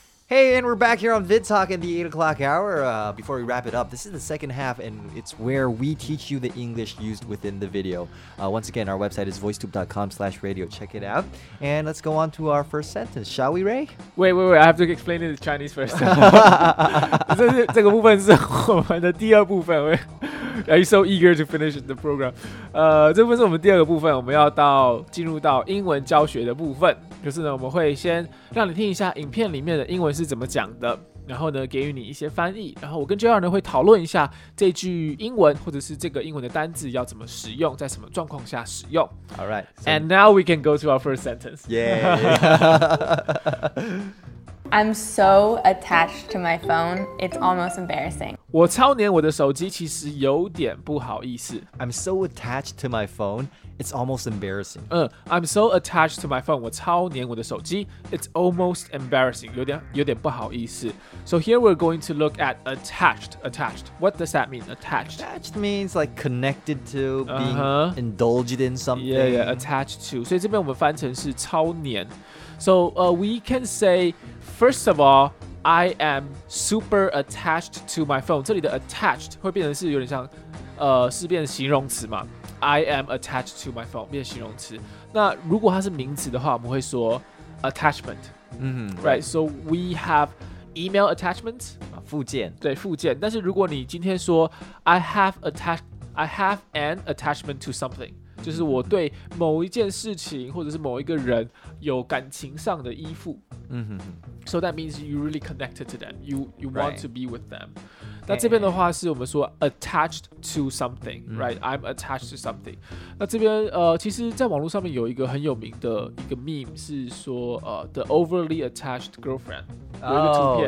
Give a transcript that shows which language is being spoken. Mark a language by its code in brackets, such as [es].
[en] Hey, and we're back here on VidTalk in the 8 o'clock hour. Before we wrap it up, this is the second half, and it's where we teach you the English used within the video. Once again, our website is voicetube.com/radio. Check it out. And let's go on to our first sentence, shall we, Ray? Wait. I have to explain it in Chinese first. This is our second part. Are you so eager to finish the program? [zh] 这部分是我们第二个部分，我们要到进入到英文教学的部分。就是呢，我们会先让你听一下影片里面的英文是怎么讲的，然后呢，给予你一些翻译。然后我跟 JR 呢会讨论一下这句英文或者是这个英文的单字要怎么使用，在什么状况下使用。 [en] All right. So... And now we can go to our first sentence. Yeah. I'm so attached to my phone. It's almost embarrassing. [zh] 我超黏我的手机，其实有点不好意思。 [en] I'm so attached to my phone, it's almost embarrassing. I'm so attached to my phone. [zh] 我超黏我的手机 [en] ，it's almost embarrassing. [zh] 有点不好意思。 [en] So here we're going to look at attached. Attached. What does that mean? Attached. Attached means like connected to, being、uh-huh. indulged in something. Yeah, attached to. [zh] 所以这边我们翻成是超黏。 [en] So we can say first of all. I am super attached to my phone. [zh] 这里的 attached 会变成是有点像，是变成形容词嘛 ？ [en] I am attached to my phone [zh] 变成形容词。那如果它是名词的话，我们会说 attachment. Mm-hmm. [en] Right. So we have email attachment. [zh] 附件。对，附件。但是如果你今天说 [en] I have an attachment to something. [zh] 就是我对某一件事情或者是某一个人有感情上的依附。 Mm-hmm. [en] So that means you really connected to them. You want、right. to be with them. [zh] 那这边的话是我们说 [en] attached to something,、mm-hmm. right? I'm attached to something. [zh] 那这边、其实在网络上面有一个很有名的一个 meme 是说、 [en] the overly attached girlfriend. [zh] 有一个图片、